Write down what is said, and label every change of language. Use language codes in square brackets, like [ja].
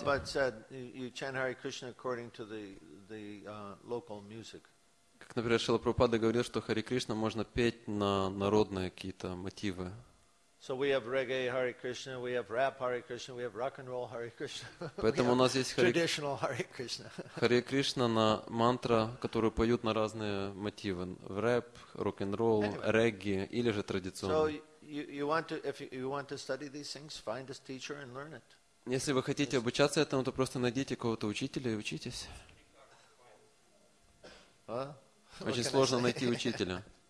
[en] For example, Prabhupada said, you chant Hare Krishna according to the local music. [ru] Как, например, Шрила Прабхупада говорил, что Hare Krishna можно петь на народные какие-то мотивы. [en] So we have reggae Hare Krishna, we have rap Hare Krishna, we have rock and roll Hare Krishna. [ru] Поэтому у нас есть [en] traditional Hare Krishna. [ru] Hare Krishna на мантра, которую поют на разные мотивы: рэп, рок-н-ролл, регги или же традиционный. [en] So if you want to study these things, find a teacher and learn it. [ru] Если вы хотите обучаться этому, то просто найдите кого-то учителя и учитесь. Очень сложно найти учителя.